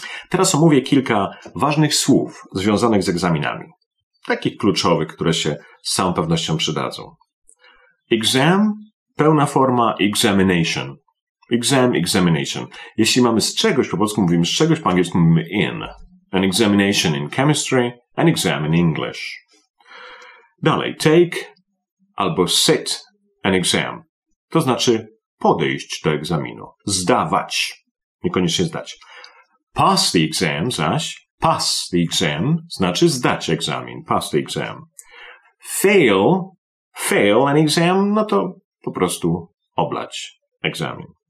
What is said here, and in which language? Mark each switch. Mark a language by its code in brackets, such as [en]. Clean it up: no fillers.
[pl] Teraz omówię kilka ważnych słów związanych z egzaminami. Takich kluczowych, które się z całą pewnością przydadzą. [en] Exam, [pl] pełna forma [en] examination. Exam, examination. [pl] Jeśli mamy z czegoś, po polsku mówimy z czegoś, po angielsku mówimy in. [en] An examination in chemistry, an exam in English. [pl] Dalej, take albo [en] sit an exam. [pl] To znaczy podejść do egzaminu. Zdawać. Niekoniecznie zdać. [en] Pass the exam zaś. Pass the exam [pl] znaczy zdać egzamin. [en] Pass the exam. Fail an exam, [pl] no to po prostu oblać egzamin.